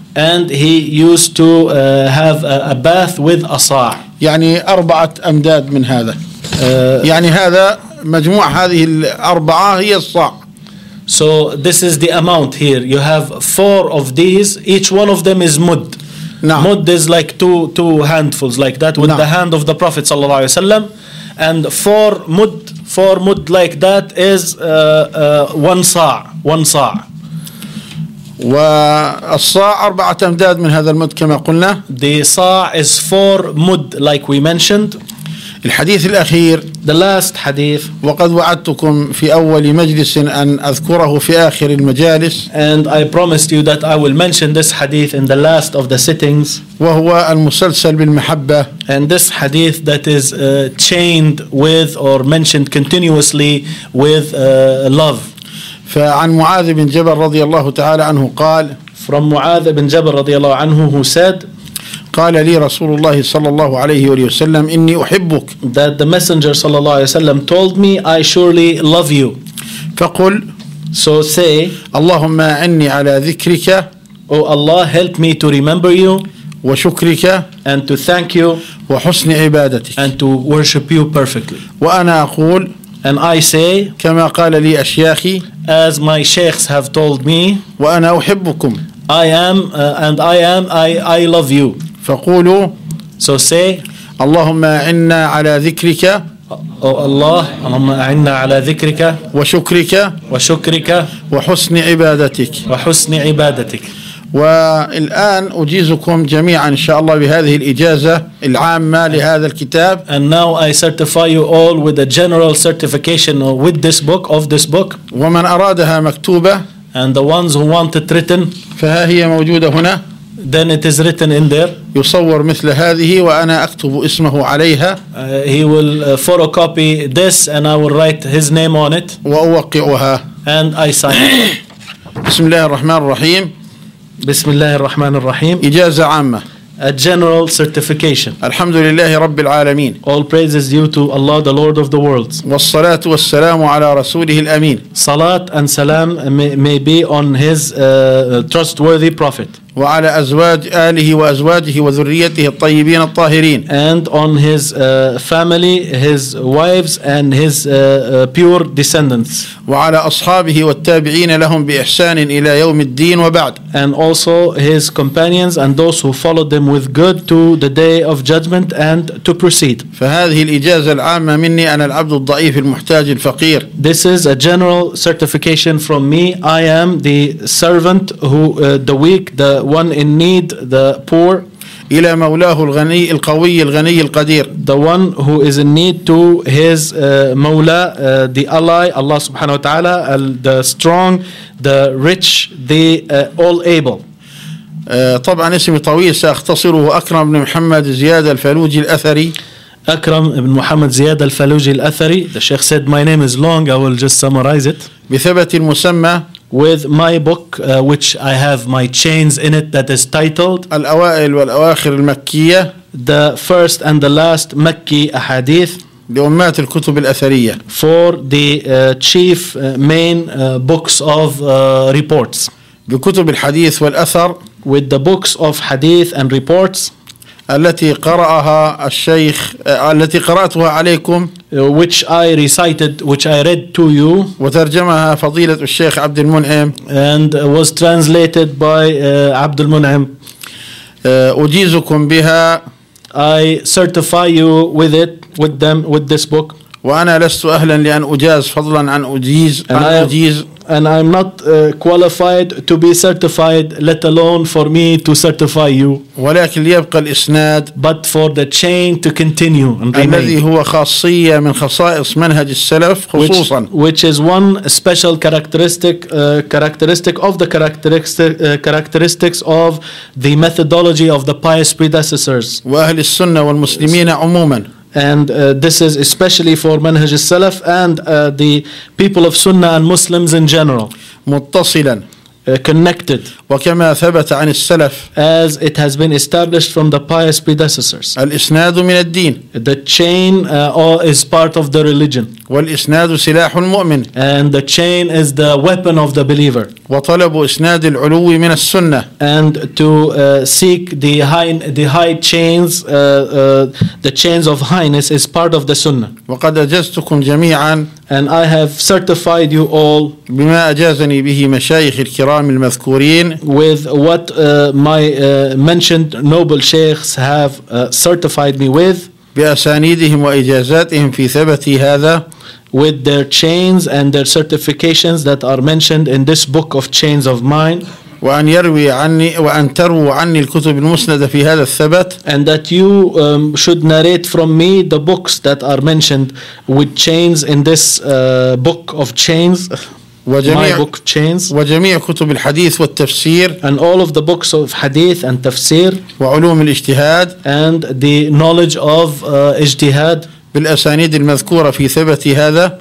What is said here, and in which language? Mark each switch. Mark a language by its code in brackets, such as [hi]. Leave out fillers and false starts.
[en] And he used to have a bath with a sa'. [ar] يعني أربعة أمداد من هذا. يعني هذا مجموع هذه الأربعة هي الصاع. [en] So this is the amount here. You have four of these. Each one of them is mud. [ar] نعم. [en] Mud is like two handfuls like that with [ar] نعم. [en] the hand of the Prophet [ar] صلى الله عليه وسلم. [en] And four mud like that is one sa'. One sa'. [ar] والصاع أربعة أمداد من هذا المد كما قلنا. [en] The صاع is four mud like we mentioned. [ar] الحديث الأخير, [en] the last حديث, [ar] وقد وعدتكم في أول مجلس أن أذكره في آخر المجالس, [en] and I promised you that I will mention this hadith in the last of the sittings, [ar] وهو المسلسل بالمحبة, [en] and this hadith that is chained with or mentioned continuously with love. [ar] فعن معاذ بن جبل رضي الله تعالى عنه قال, [en] from معاذ بن جبل [ar] رضي الله عنه, [en] who said, [ar] قال لي رسول الله صلى الله عليه وسلم إني أحبك, [en] that the messenger [ar] صلى الله عليه وسلم [en] told me I surely love you. [ar] فقل, [en] so say, [ar] اللهم أعني على ذكرك, [en] oh Allah help me to remember you, [ar] وشكرك, [en] and to thank you, [ar] وحسن عبادتك, [en] and to worship you perfectly. [ar] وأنا أقول, [en] and I say, [ar] كما قال لي أشياخي, [en] as my sheikhs have told me, [ar] وأنا أحبكم, [en] I am and I am I love you. [ar] فقولوا, [en] so say, [ar] اللهم أعنا على ذكرك, [en] oh Allah, [ar] اللهم أعنا على ذكرك, وشكرك, وشكرك, وحسن عبادتك, وحسن عبادتك. والآن أجيزكم جميعا إن شاء الله بهذه الإجازة العامة لهذا الكتاب, [en] and now I certify you all with a general certification with this book, of this book, [ar] ومن أرادها مكتوبة, [en] and the ones who want it written, [ar] فها هي موجودة هنا, [en] then it is written in there. [ar] يصور مثل هذه وأنا أكتب اسمه عليها, [en] he will photocopy this and I will write his name on it, [ar] وأوقعها, [en] and I sign it. [ar] بسم الله الرحمن الرحيم, بسم الله الرحمن الرحيم, إجازة عامة, [en] a general certification. [ar] الحمد لله رب العالمين, [en] all praises due to Allah the Lord of the worlds, [ar] والصلاة والسلام على رسوله الأمين, [en] salat and salam may be on his trustworthy prophet, [ar] وعلى أزواج آله وأزواجه وذريته الطيبين الطاهرين, [en] and on his family, his wives and his pure descendants, [ar] وعلى أصحابه والتابعين لهم بإحسان إلى يوم الدين وبعد, [en] and also his companions and those who followed them with good to the day of judgment and to proceed. [ar] فهذه الإجازة العامة مني أنا العبد الضعيف المحتاج الفقير. [en] This is a general certification from me. I am the servant who the weak, the one in need, the poor, [ar] إلى مولاه الغني القوي الغني القدير, [en] the one who is in need to his مولاه, the ally, Allah [ar] سبحانه وتعالى, [en] the strong, the rich, the all able. [ar] طبعا اسمي طويل سأختصره, أكرم بن محمد زياد الفلوجي الأثري. أكرم بن محمد زياد الفلوجي الأثري. [en] The Sheikh said my name is long, I will just summarize it. [ar] بثبت المسمى, [en] with my book which I have my chains in it that is titled [ar] الأوائل والأواخر المكية, [en] the first and the last مكي أحاديث, [ar] لأمات الكتب الأثرية, [en] for the chief main books of reports, [ar] بكتب الحديث والأثر, [en] with the books of hadith and reports, [ar] التي قرأها الشيخ, التي قرأتها عليكم, [en] which I recited, which I read to you, [ar] وترجمها فضيلة الشيخ عبد المنعم, [en] and was translated by عبد المنعم. [ar] أجيزكم بها, [en] I certify you with it, with them, with this book. [ar] وأنا لست أهلا لأن أجاز فضلا عن أجيز, [en] and I'm not qualified to be certified, let alone for me to certify you. [ar] ولكن ليبقى الإسناد, [en] but for the chain to continue and remain, [ar] الذي هو خاصية من خصائص منهج السلف خصوصا, [en] which is one special characteristic of the characteristics of the methodology of the pious predecessors, [ar] وأهل السنة والمسلمين عموما, [en] and this is especially for manhaj al-salaf and the people of sunnah and Muslims in general, [ar] متصلاً, [en] connected, [ar] وكما ثبت عن السلف, [en] as it has been established from the pious predecessors, [ar] الإسناد من الدين, [en] the chain is part of the religion, [ar] والإسناد سلاح المؤمن, [en] and the chain is the weapon of the believer, [ar] وطلب إسناد العلو من السنة, [en] and to seek the high chains, the chains of highness is part of the sunnah. [ar] وقد أجزتكم جميعا, [en] and I have certified you all, [ar] بما أجازني به مشايخ الكرام المذكورين, [en] with what my mentioned noble sheikhs have certified me with, [ar] بأسانيدهم وإجازاتهم في ثبتي هذا, [en] with their chains and their certifications that are mentioned in this book of chains of mine, [ar] وأن يروي عني وأن تروى عني الكتب المسندة في هذا الثبت. [en] And that you should narrate from me the books that are mentioned with chains in this book of chains. [ar] وجميع [en] book chains. [ar] وجميع كتب الحديث والتفسير. [en] And all of the books of hadith and tafsir. [ar] وعلوم الاجتهاد. [en] And the knowledge of اجتهاد. [ar] بالأسانيد المذكورة في ثبت هذا.